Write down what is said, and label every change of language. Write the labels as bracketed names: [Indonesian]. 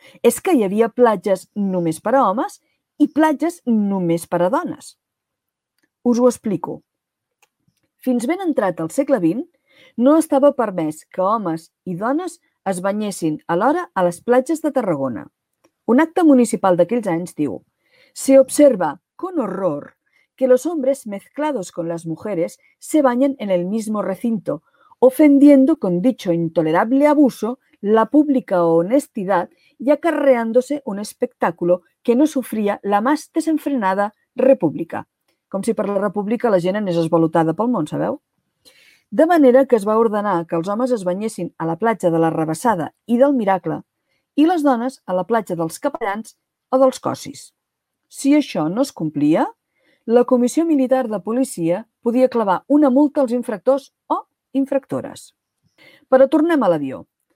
[Catalan] És que hi havia platges només per a homes i platges només per a dones. Us ho explico. Fins ben entrat al segle XX, no estava permès que homes i dones es banyessin alhora a les platges de Tarragona. Un acte municipal d'aquells anys diu: [Spanish] «Se observa con horror que los hombres mezclados con las mujeres se bañan en el mismo recinto, ofendiendo con dicho intolerable abuso la pública honestidad y acarreándose un espectáculo que no sufría la más desenfrenada república». [Catalan] Com si per la república la gent anés esvalotada pel món, sabeu? De manera que es va ordenar que els homes es banyessin a la platja de la Rabassada i del Miracle i les dones a la platja dels Capellans o dels Cossis. Si això no es complia, la Comissió Militar de Policia podia clavar una multa als infractors o infractores. Però tornem a l'avió.